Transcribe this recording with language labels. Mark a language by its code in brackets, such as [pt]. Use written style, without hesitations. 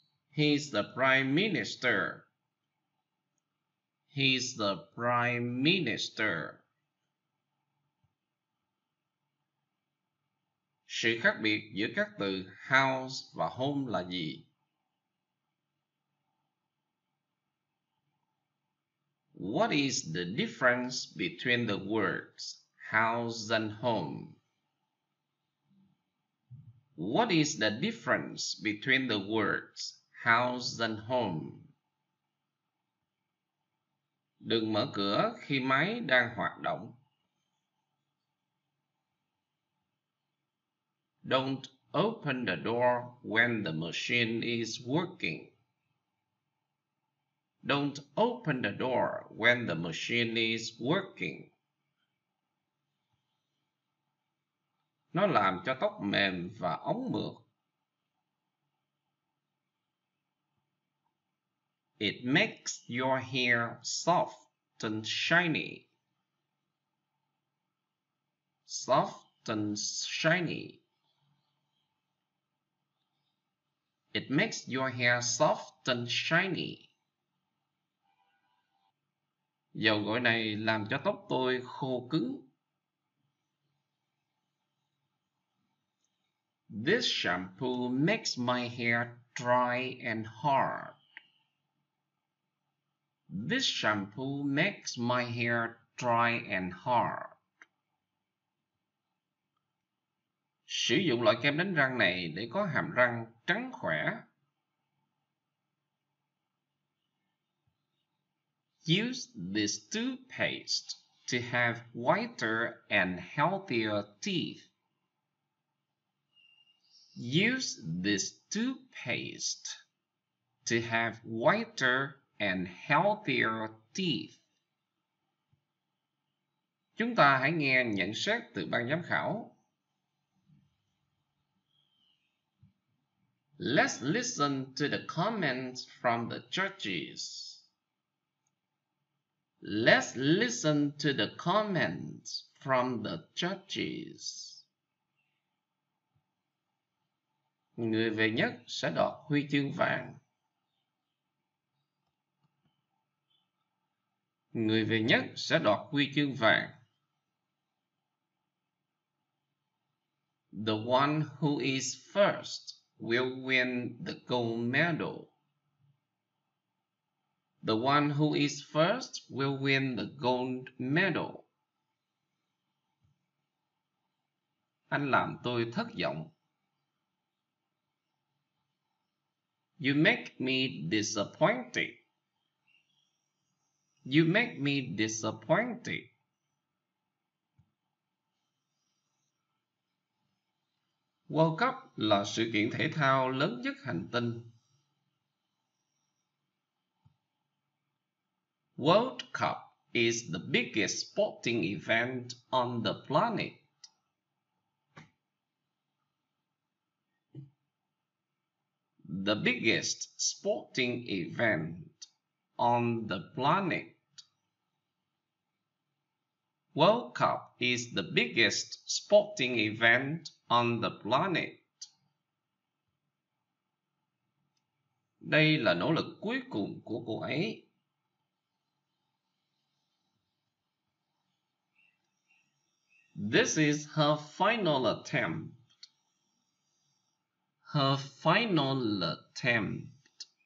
[en] He's the prime minister. He's the prime minister. [vi] Sự khác biệt giữa các từ house và home là gì? [en] What is the difference between the words house and home? What is the difference between the words house and home? [vi] Đừng mở cửa khi máy đang hoạt động. [en] Don't open the door when the machine is working. Don't open the door when the machine is working. [vi] Nó làm cho tóc mềm và ống mượt. [en] It makes your hair soft and shiny. Soft and shiny. It makes your hair soft and shiny. [vi] Dầu gội này làm cho tóc tôi khô cứng. [en] This shampoo makes my hair dry and hard. This shampoo makes my hair dry and hard. [vi] Sử dụng loại kem đánh răng này để có hàm răng trắng khỏe. [en] Use this toothpaste to have whiter and healthier teeth. Use this toothpaste to have whiter and healthier teeth. [vi] Chúng ta hãy nghe nhận xét từ ban giám khảo. [en] Let's listen to the comments from the judges. Let's listen to the comments from the judges. [vi] Người về nhất sẽ đoạt huy chương vàng. Người về nhất sẽ đoạt huy chương vàng. [en] The one who is first will win the gold medal. The one who is first will win the gold medal. [vi] Anh làm tôi thất vọng. [en] You make me disappointed. You make me disappointed. [vi] World Cup là sự kiện thể thao lớn nhất hành tinh. [en] World Cup is the biggest sporting event on the planet. The biggest sporting event on the planet. World Cup is the biggest sporting event on the planet. [vi] Đây là nỗ lực cuối cùng của cô ấy. [en] This is her final attempt. Her final attempt.